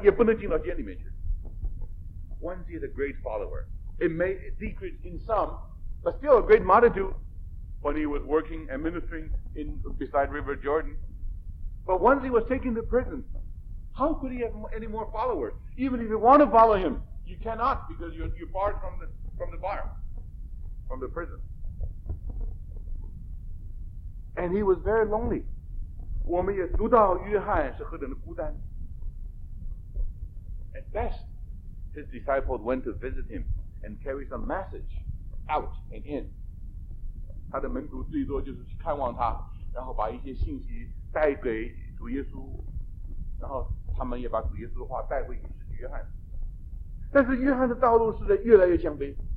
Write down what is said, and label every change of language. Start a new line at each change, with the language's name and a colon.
Chinese: 他从前有这么多门徒跟随他，等到他下了监里面，不可能再有门徒了。门徒就是要跟随他，也不能进到监里面去。
English: One is a great follower. It may decrease in some, but still a great multitude. When he was working and ministering in beside River Jordan, but once he was taken to prison, how could he have any more followers? Even if you want to follow him, you cannot because you're barred from the bar, from the prison. And he was very lonely.
Chinese: 我们也读到约翰是何等的孤单。
English: At best, his disciples went to visit him and carry some message out and in.
Chinese: 他的门徒最多就是去看望他，然后把一些信息带给主耶稣，然后他们也把主耶稣的话带回使徒约翰。但是约翰的道路是在越来越降卑。